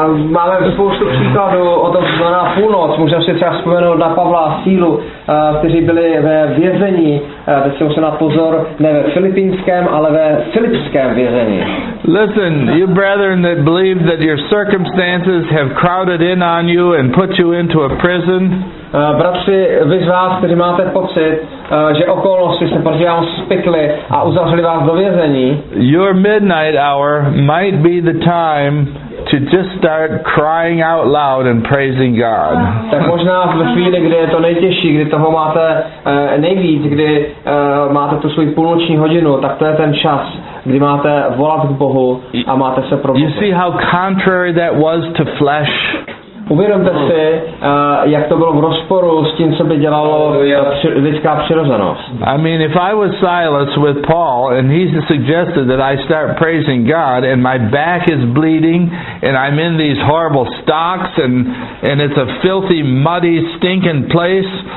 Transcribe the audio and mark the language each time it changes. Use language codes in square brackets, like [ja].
[cs] Máme spoustu příkladů o tom, co znamená půlnoc. Můžeme si třeba vzpomenout na Pavla a Sílu, kteří byli ve vězení. Teď si musím dát pozor, ne ve filipínském, ale ve filipském vězení. [en] Listen, you brethren that believe that your circumstances have crowded in on you and put you into a prison. [cs] Bratři, vy z vás, kteří máte pocit, že okolnosti se proti vám spikly a uzavřeli vás do vězení. [en] Your midnight hour might be the time to just start crying out loud and praising God. [cs] Tak možná ve chvíli, kdy je to nejtěžší, kdy toho máte nejvíc, kdy máte tu svou půlnoční hodinu, tak to je ten čas, kdy máte volat k Bohu a máte se probudit. [en] You see how contrary that was to flesh. [cs] Uvědomte si, jak to bylo v rozporu s tím, co by dělalo lidská přirozenost. [en] I mean, if I was Silas with Paul and he suggested that I start praising God and my back is bleeding and I'm in these horrible stocks and it's a filthy, muddy, stinking place.